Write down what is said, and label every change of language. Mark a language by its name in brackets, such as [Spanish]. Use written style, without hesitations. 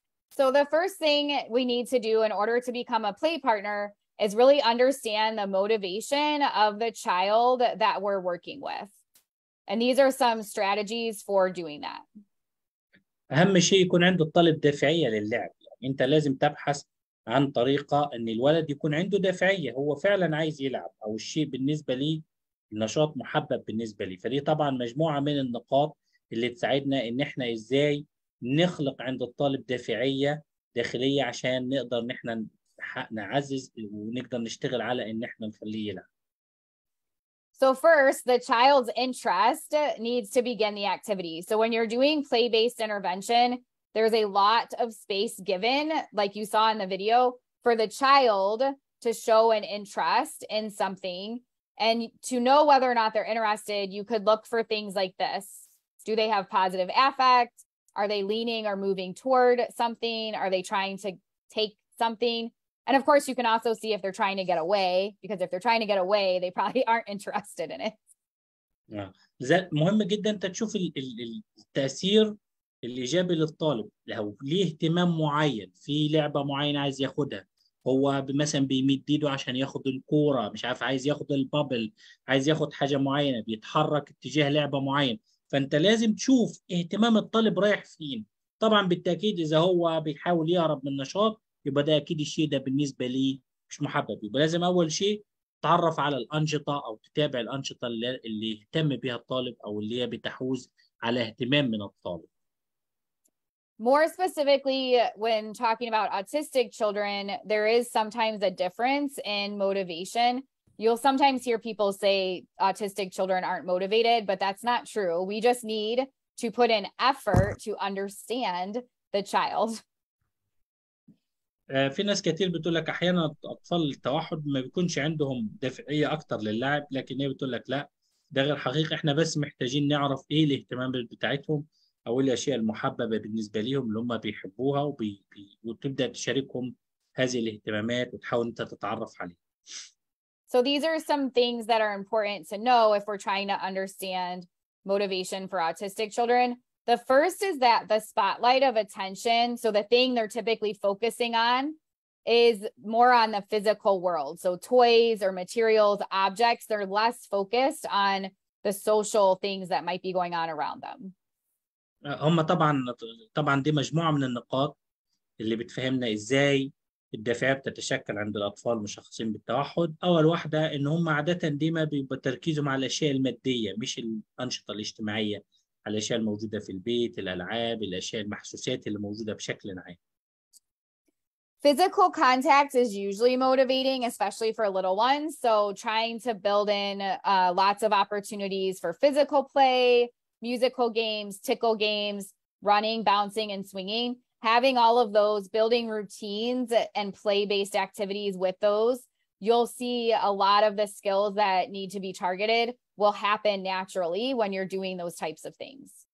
[English] So the first thing we need to do in order to become a play partner is really understand the motivation of the child that we're working with. And these are some strategies for doing that. [Arabic] أهم شيء يكون عنده الطالب دافعية للعب. أنت لازم تبحث عن طريقة أن الولد يكون عنده دافعية، هو فعلا عايز يلعب، أو الشيء بالنسبة لي النشاط محبب بالنسبة لي. فدي طبعا مجموعة من النقاط اللي تساعدنا أن إحنا إزاي نخلق عند الطالب دافعية داخلية عشان نقدر نحن نعزز ونقدر نشتغل على ان احنا نخليه يلعب. [English] So first, the child's interest needs to begin the activity. So when you're doing play-based intervention, there's a lot of space given, like you saw in the video, for the child to show an interest in something. And to know whether or not they're interested, you could look for things like this. Do they have positive affect? Are they leaning or moving toward something? Are they trying to take something? And of course, you can also see if they're trying to get away, because if they're trying to get away, they probably aren't interested in it. Yeah. [Arabic] مهم جدا انت تشوف التأثير الإيجابي للطالب، لو ليه اهتمام معين في لعبة معينة عايز ياخدها، هو مثلا بيمد ايده عشان ياخد الكورة، مش عارف عايز ياخد البابل، عايز ياخد حاجة معينة، بيتحرك اتجاه لعبة معينة. فانت لازم تشوف اهتمام الطالب رايح فين. طبعا بالتاكيد اذا هو بيحاول يهرب من النشاط يبقى ده اكيد الشيء ده بالنسبه لي مش محبب، يبقى لازم اول شيء تعرف على الانشطه او تتابع الانشطه اللي يهتم بها الطالب او اللي هي بتحوز على اهتمام من الطالب. [English] More specifically, when talking about autistic children, there is sometimes a difference in motivation. You'll sometimes hear people say autistic children aren't motivated, but that's not true. We just need to put in effort to understand the child. [Arabic] في ناس كتير بتقول لك احيانا اطفال التوحد ما بيكونش عندهم دافعيه اكتر للعب، لكن هي بتقول لك لا ده غير حقيقي، احنا بس محتاجين نعرف ايه الاهتمام بتاعتهم او الاشياء المحببه بالنسبه ليهم اللي هم بيحبوها، وتبدا تشاركهم هذه الاهتمامات وتحاول انت تتعرف عليها. [English] So these are some things that are important to know if we're trying to understand motivation for autistic children. The first is that the spotlight of attention, so the thing they're typically focusing on, is more on the physical world. So toys or materials, objects, they're less focused on the social things that might be going on around them. [Arabic] هم طبعا دي مجموعة من النقاط اللي بتفهمنا ازاي الدافعية بتتشكل عند الأطفال المشخصين بالتوحد. أول واحدة إن هم عادة ديما بيبقى تركيزهم على الأشياء المادية مش الأنشطة الاجتماعية، على الأشياء الموجودة في البيت، الألعاب، الأشياء المحسوسات اللي موجودة بشكل عام. [English] Physical contact is usually motivating, especially for little ones. So trying to build in lots of opportunities for physical play, musical games, tickle games, running, bouncing, and swinging. Having all of those, building routines and play-based activities with those, you'll see a lot of the skills that need to be targeted will happen naturally when you're doing those types of things.